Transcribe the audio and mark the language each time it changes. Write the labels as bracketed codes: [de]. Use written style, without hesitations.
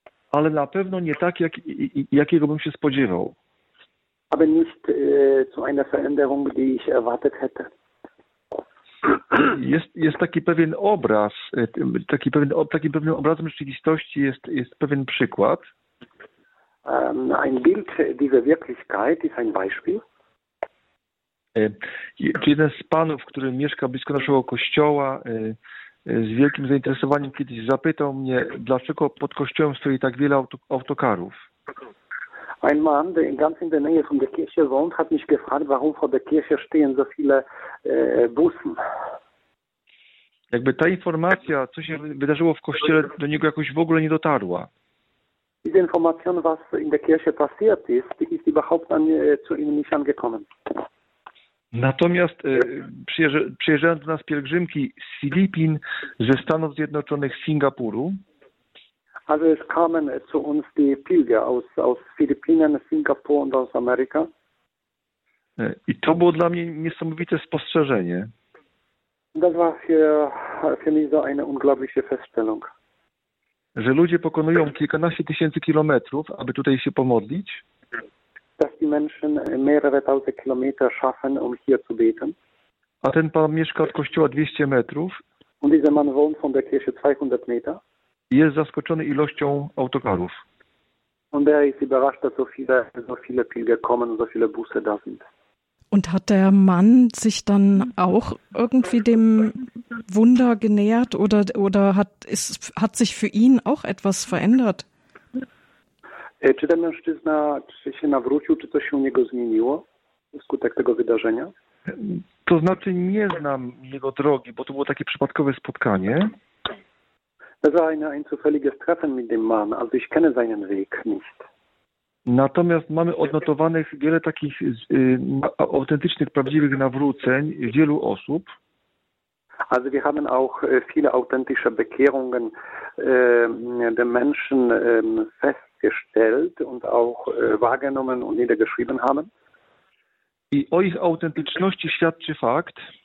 [pl] Ale na pewno nie tak, jakiego bym się spodziewał. [de] Aber nicht zu einer Veränderung, die ich erwartet hätte. [pl] Jest taki pewien obraz, takim pewnym obrazem rzeczywistości jest pewien przykład. [de] Ein Bild dieser Wirklichkeit ist ein Beispiel. [pl] Czy jeden z panów, który mieszka blisko naszego kościoła, z wielkim zainteresowaniem kiedyś zapytał mnie, dlaczego pod kościołem stoi tak wiele autokarów. [de] Ein Mann, der ganz in der Nähe von der Kirche wohnt, hat mich gefragt, warum vor der Kirche stehen so viele Busen. [pl] Jakby ta informacja, co się wydarzyło w kościele, do niego jakoś w ogóle nie dotarła. [de] Diese Information, was in der Kirche passiert ist, die ist überhaupt an, zu ihm nicht angekommen. [pl] Natomiast przyjeżdżają do nas pielgrzymki z Filipin, ze Stanów Zjednoczonych, z Singapuru. [de] Also es kamen zu uns die Pilger aus Philippinen, Singapur und aus Amerika. [pl] I to było dla mnie niesamowite spostrzeżenie. [de] Das war für mich so eine unglaubliche Feststellung. [pl] Że ludzie pokonują kilkanaście tysięcy kilometrów, aby tutaj się pomodlić. [de] Dass die Menschen mehrere tausend Kilometer schaffen, um hier zu beten. [pl] A ten pan mieszka od kościoła 200 metrów. [de] Und dieser Mann wohnt von der Kirche 200 Meter. [pl] Jest zaskoczony ilością autokarów. [de] Und er ist überrascht, dass so viele Pilger kommen, so viele Busse da sind. Und hat der Mann sich dann auch irgendwie dem Wunder genähert oder hat sich für ihn auch etwas verändert? [pl] Czy ten mężczyzna się nawrócił, czy coś się u niego zmieniło wskutek tego wydarzenia? To znaczy nie znam jego drogi, bo to było takie przypadkowe spotkanie. [de] Das war ein zufälliges Treffen mit dem Mann, also ich kenne seinen Weg nicht. [pl] Natomiast mamy odnotowanych wiele takich autentycznych, prawdziwych nawróceń wielu osób. [de] Also wir haben auch viele authentische Bekehrungen der Menschen festgestellt und auch wahrgenommen und niedergeschrieben haben. [pl] I o ich autentyczności świadczy fakt.